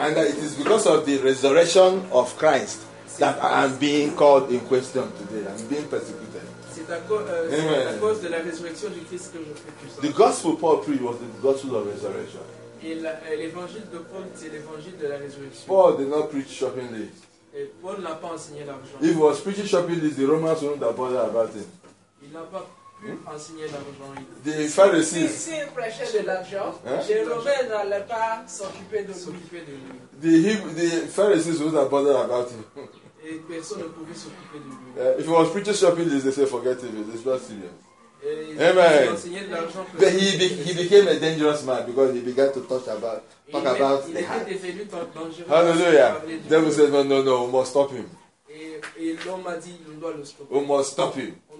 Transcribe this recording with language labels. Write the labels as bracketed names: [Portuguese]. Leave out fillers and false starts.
[English] And that it is because of the resurrection of Christ that I am being called in question today. I'm being persecuted. [French] C'est à cause de la résurrection du Christ que je fais. [English] The gospel Paul preached was the gospel of resurrection. [French] L'évangile de Paul, c'est l'évangile de la résurrection. [English] Paul did not preach shopping list. [French] Et Paul n'a pas enseigné l'argent. [English] If he was preaching shopping list, the Romans wouldn't have bothered about him. [French] Il n'a pas pu enseigner l'argent. [English] The Pharisees. [French] S'il prêchait de l'argent, les Romains n'allaient pas s'occuper de lui. [English] The Pharisees wouldn't have bothered about him. [French] Et personne ne pouvait s'occuper de lui. [English] If he was preaching shopping list, they said, forget it, it's not serious. Amen. But he became a dangerous man because he began to talk about the heart. Hallelujah. The devil said, no, we must stop him. We must stop him.